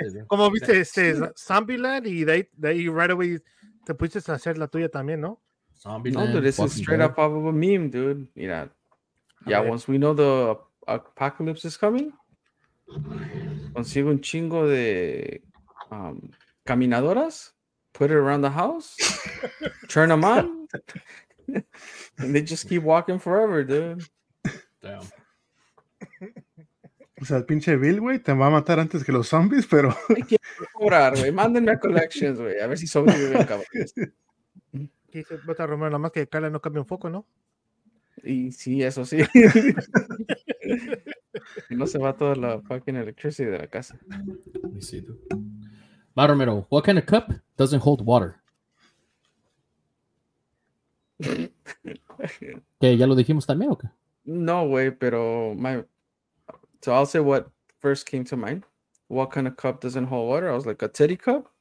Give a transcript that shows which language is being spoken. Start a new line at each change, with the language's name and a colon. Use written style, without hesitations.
Spanish: Como viste, zombie land, y de ahí
English: right away
Spanish: te pusiste a hacer la tuya también, no?
English: Zombie
Spanish: no,
English: land, dude, this is straight up off of a meme, dude.
Spanish: Mira.
English: Yeah, okay. Once we know the apocalypse is coming,
Spanish: consigo un chingo de caminadoras,
English: put it around the house, turn them on, and they just keep walking forever, dude. Damn.
Spanish: O sea, el pinche Bill, güey, te va a matar antes que los zombies, pero... Hay que procurar, güey. Mándenme a
English: collections,
Spanish: güey. A ver si sobreviven, cabrón. ¿Qué dice Bota Romero? Nada más que Carla no cambie un foco, ¿no? Y sí, eso sí. No se va toda la fucking electricidad de la casa.
English: Let me see, dude. Mar Romero, what kind of cup doesn't hold water?
Spanish: ¿Qué, ya lo dijimos también o qué? No, güey, pero...
English: So I'll say what first came to mind. What kind of cup doesn't hold water? I was like, a titty cup?